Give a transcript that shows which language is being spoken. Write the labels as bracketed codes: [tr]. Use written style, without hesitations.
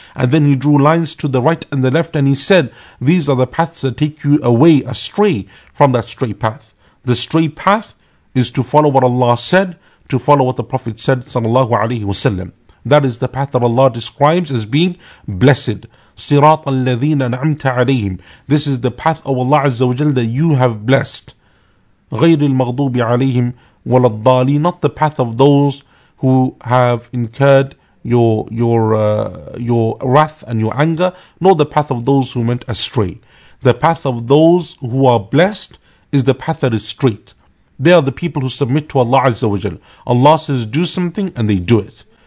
[en] And then he drew lines to the right and the left and he said, these are the paths that take you away, astray from that straight path. The straight path is to follow what Allah said, to follow what the Prophet said sallallahu alaihi wasallam. That is the path that Allah describes as being blessed. [ar] صراط الذين أنعمت عليهم. [en] This is the path of Allah Azza wa Jalla that you have blessed. [ar] غير المغضوب عليهم ولا الضالين. [en] Not the path of those who have incurred your wrath and your anger, nor the path of those who went astray. The path of those who are blessed is the path that is straight. They are the people who submit to Allah Azza wa Jalla. Allah says do something and they do it.